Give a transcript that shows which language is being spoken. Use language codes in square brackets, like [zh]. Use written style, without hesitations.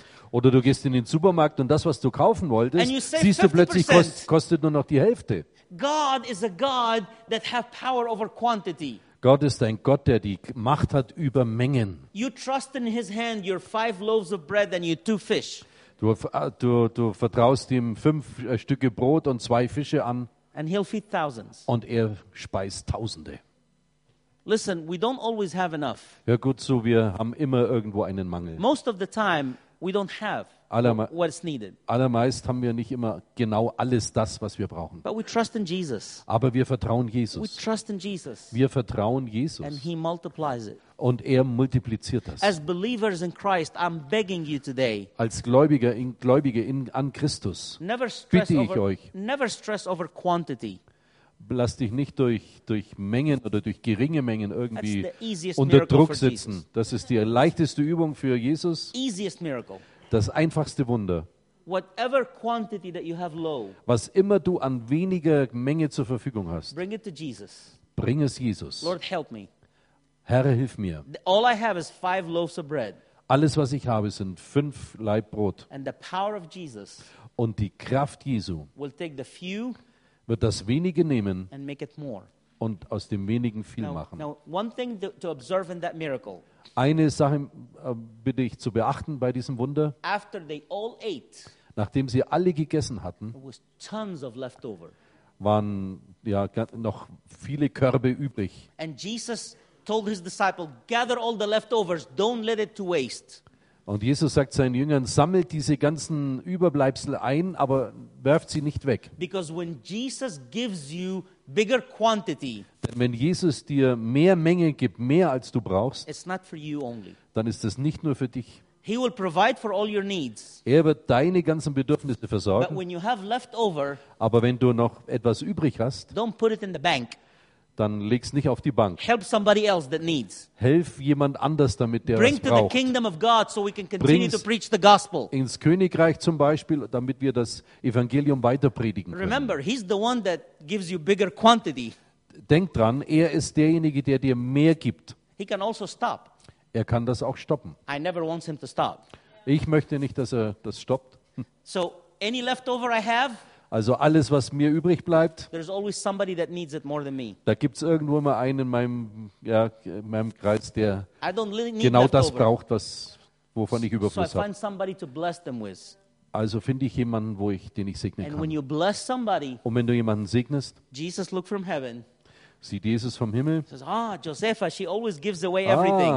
[de] Oder du gehst in den Supermarkt und das, was du kaufen wolltest, siehst du plötzlich, kostet nur noch die Hälfte. [en] God is a God that have power over quantity. [de] Gott ist ein Gott, der die Macht hat über Mengen. [en] You trust in his hand your 5 loaves of bread and your 2 fish. [de] Du vertraust ihm 5 Stücke Brot und 2 Fische an. [en] And he'll feed thousands. [de] Und er speist Tausende. [en] Listen, we don't always have enough. [de] Hör gut zu, wir haben immer irgendwo einen Mangel. [en] Most of the time we don't have what's needed. [de] Allermeist haben wir nicht immer genau alles das, was wir brauchen. [en] But we trust in Jesus. [de] Aber wir vertrauen Jesus. [en] We trust in Jesus. [de] Wir vertrauen Jesus. [en] And he multiplies it. [de] Und er multipliziert das. [en] As believers in Christ, I'm begging you today. [de] Als Gläubige an Christus, bitte ich euch. [en] Never stress over quantity. [de] Lass dich nicht durch Mengen oder durch geringe Mengen irgendwie unter Druck sitzen. Das ist die leichteste Übung für Jesus. [en] Easiest miracle. [de] Das einfachste Wunder. [en] Whatever quantity that you have low, [de] was immer du an weniger Menge zur Verfügung hast, [en] bring it to Jesus. [de] Bring es Jesus. [en] Lord, help me. [de] Herr, hilf mir. [en] All I have is 5 loaves of bread. [de] Alles, was ich habe, sind 5 Laib Brot. [en] And the power of Jesus, [de] und die Kraft Jesu [en] will take the few, [de] wird das Wenige nehmen [en] and make it more, [de] und aus dem Wenigen viel machen. [en] Now, one thing to observe in that miracle. [de] Eine Sache bitte ich zu beachten bei diesem Wunder. [en] After they all ate, [de] nachdem sie alle gegessen hatten, [en] was tons of leftover, [de] waren ja noch viele Körbe übrig. [en] And Jesus told his disciple, gather all the leftovers, don't let it to waste. [de] Und Jesus sagt seinen Jüngern, sammelt diese ganzen Überbleibsel ein, aber werft sie nicht weg. [en] Because when Jesus gives you bigger quantity, [de] denn wenn Jesus dir mehr Menge gibt, mehr als du brauchst, [en] it's not for you only. [de] Dann ist es nicht nur für dich. [en] He will provide for all your needs. [de] Er wird deine ganzen Bedürfnisse versorgen. [en] But when you have leftover, [de] aber wenn du noch etwas übrig hast, [en] don't put it in the bank. [de] Dann leg's nicht auf die Bank. [en] Help somebody else that needs. [de] Helf jemand anders damit, der [en] bring [de] es braucht. [en] To the kingdom of God so we can continue. Bring's to preach the gospel. [de] Ins Königreich zum Beispiel, damit wir das Evangelium weiter predigen können. [en] Remember, he's the one that gives you bigger quantity. [de] Denk dran, er ist derjenige, der dir mehr gibt. [en] He can also stop. [de] Er kann das auch stoppen. [en] I never want him to stop. [de] Ich möchte nicht, dass er das stoppt. [en] So any leftover I have, [de] also alles, was mir übrig bleibt, [en] there's always somebody that needs it more than me. [de] Da gibt es irgendwo mal einen in meinem, ja, in meinem Kreis, der genau das braucht, wovon ich Überfluss habe. [en] So I find somebody to bless them with. [de] Also finde ich jemanden, den ich segnen [en] and [de] kann. [en] When you bless somebody, [de] und wenn du jemanden segnest, [en] Jesus look from heaven, [de] sieht Jesus vom Himmel, [en] says, Josepha, she always gives away everything.